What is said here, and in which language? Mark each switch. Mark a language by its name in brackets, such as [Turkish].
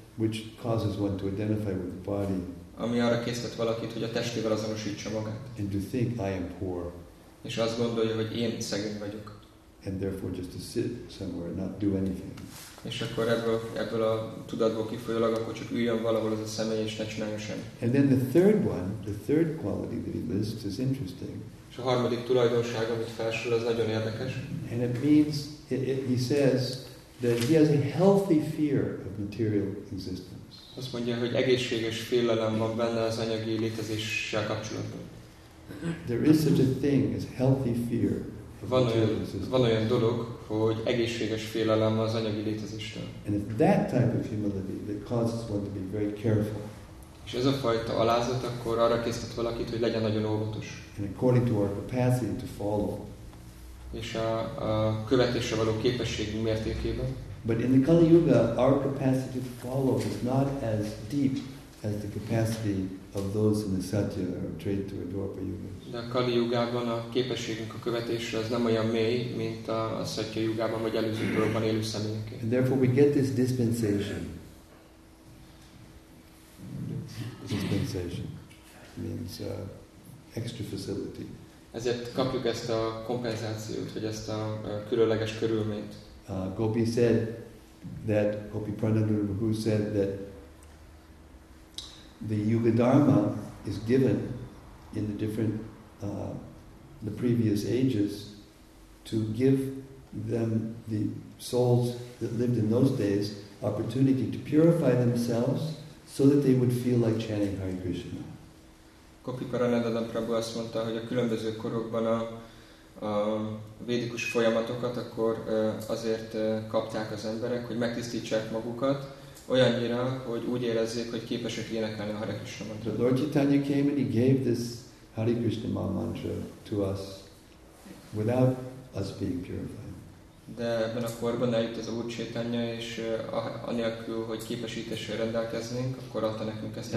[English] Which causes one to identify with the body. [Hungarian] Ami arra készített valakit, hogy a testével azonosítsa magát. [English] And to think I am poor. [Hungarian] És azt gondolja, hogy én szegény vagyok. [English] And therefore just to sit somewhere and not do anything. [Hungarian] És akkor ebből a tudatból kifolyólag akkor csak üljön valahol ez a személy, és ne csináljon semmit. [English] And then the third one, the third quality that he lists is interesting. [Hungarian] És a harmadik tulajdonság, amit felsorol, az nagyon érdekes. [English] And it means, he says that he has a healthy fear of material existence. [Hungarian] Azt mondja, hogy egészséges félelem van benne az anyagi létezéssel kapcsolatban. [English] There is such a thing as healthy fear. [Hungarian] Van olyan dolog, hogy egészséges félelem az anyagi létezéstől. [English] And it's that type of humility that causes one to be very careful. [Hungarian] És ez a fajta alázat akkor arra készített valakit, hogy legyen nagyon óvatos. [English] And according to our capacity to follow. [Hungarian] És a követésre való képességünk mértékében. [English] But in the Kali Yuga, our capacity to follow is not as deep as the capacity of those in the Satya or Treta or Dwapara Yugas. [Hungarian] De a Kali Yugában a képességünk a követésre az nem olyan mély, mint a Satya Yugában vagy előző korokban élő személyeké. [English] And therefore we get this dispensation. Dispensation means extra facility. [Hungarian] Ezért kapjuk ezt a kompenzációt, vagy ezt a különleges körülményt. [English] Gopi Pranadurva, who said that the Yuga Dharma is given in the different, the previous ages to give them, the souls that lived in those days, opportunity to purify themselves so that they would feel like chanting Hare Krishna. [Hungarian] Gopi Pranadurva Prabhu azt mondta, hogy a különböző korokban a védikus folyamatokat akkor azért kapták az emberek, hogy megtisztítsák magukat, olyannyira, hogy úgy érezzék, hogy képesek énekelni a Hare Krishna mantra. [English] The Lord Chaitanya came and he gave this Hare Krishna mantra to us without us being purified. [Hungarian] De ebben a korban eljött az Úr Chaitanya, és anélkül, hogy képesítéssel rendelkeznénk, akkor adta nekünk ezt a